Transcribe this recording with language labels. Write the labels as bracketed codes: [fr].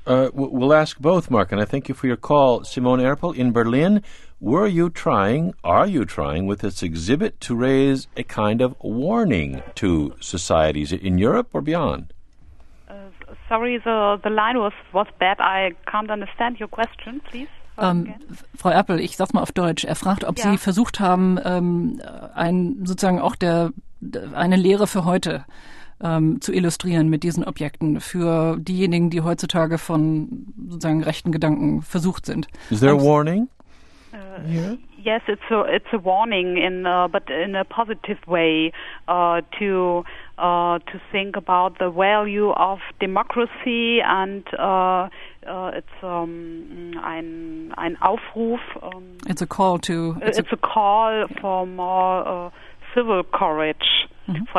[en] We'll ask both, Mark, and I thank you for your call. Simone Erpel in Berlin, are you trying with this exhibit to raise a kind of warning to societies in Europe or beyond? Sorry, the line was bad. I can't understand your question, please. [de] Frau Erpel, ich sag's mal auf Deutsch. Er fragt, ob Sie versucht haben, eine Lehre für heute zu illustrieren mit diesen Objekten für diejenigen, die heutzutage von sozusagen rechten Gedanken versucht sind. [en] Is there a warning? Yes, it's a warning in a positive way to think about the value of democracy and it's a call for more civil courage, mm-hmm.